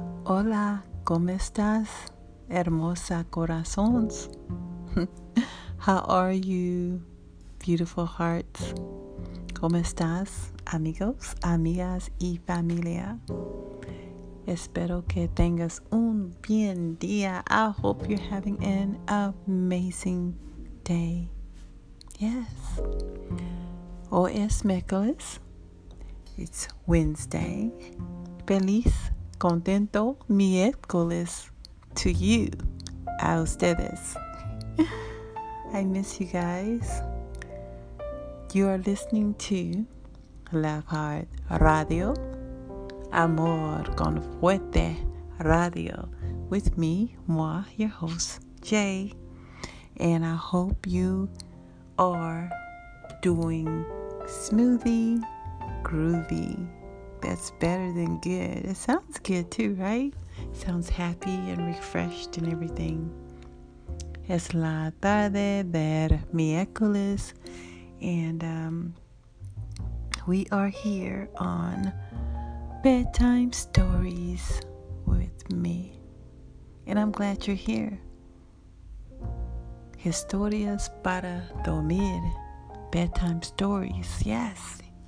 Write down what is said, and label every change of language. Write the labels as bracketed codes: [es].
[es] Hola, ¿cómo estás, hermosa corazones? [en] How are you, beautiful hearts? [es] ¿Cómo estás, amigos, amigas y familia? Espero que tengas un bien día. [en] I hope you're having an amazing day. Yes. [es] Hoy es miércoles. [en] It's Wednesday. [es] Feliz. Contento miércoles [en] to you, [es] a ustedes. [en] I miss you guys. You are listening to Love Heart Radio, [es] Amor con Fuerte Radio, [en] with me, [fr] moi, [en] your host, Jay. And I hope you are doing smoothie, groovy. That's better than good. It sounds good too, right? Sounds happy and refreshed and everything. [es] Es la tarde del miércoles. [en] And we are here on Bedtime Stories with me. And I'm glad you're here. [es] Historias para dormir. [en] Bedtime Stories, yes.